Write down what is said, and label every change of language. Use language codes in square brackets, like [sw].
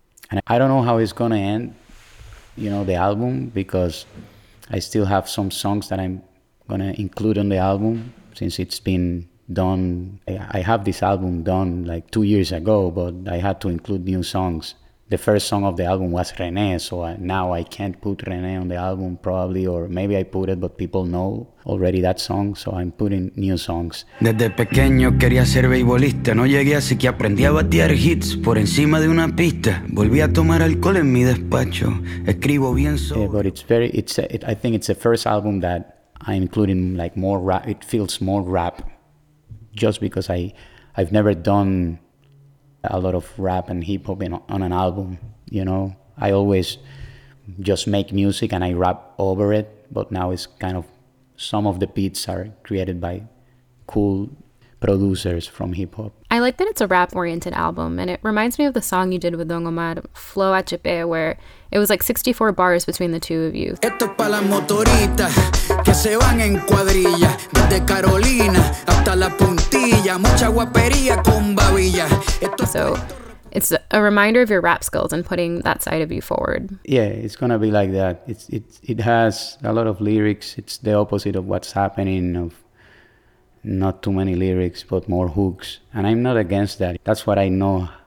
[en] And I don't know how it's gonna end, you know, the album, because I still have some songs that I'm gonna include on the album since it's been done. I have this album done like 2 years ago, but I had to include new songs. The first song of the album was René, so now I can't put René on the album probably, or maybe I put it, but people know already that song, so I'm putting new songs. [es] Desde pequeño quería ser beisbolista, no llegué así que aprendí a batear hits por encima de una pista. Volví a tomar alcohol en mi despacho, escribo bien solo. [en] But I think it's the first album that I'm including like more rap. It feels more rap, just because I've never done a lot of rap and hip hop on an album, you know. I always just make music and I rap over it, but now it's kind of, some of the beats are created by cool producers from hip hop. I like that it's a rap oriented album, and it reminds me of the song you did with Don Omar, Flow Achepe, where it was like 64 bars between the two of you. [es] Esto es para las motoritas que se van en cuadrilla, desde Carolina hasta la puntilla, mucha guapería con babilla. [en] So it's a reminder of your rap skills and putting that side of you forward. Yeah, it's gonna be like that. It has a lot of lyrics. It's the opposite of what's happening, of not too many lyrics but more hooks, and I'm not against that. That's what I know.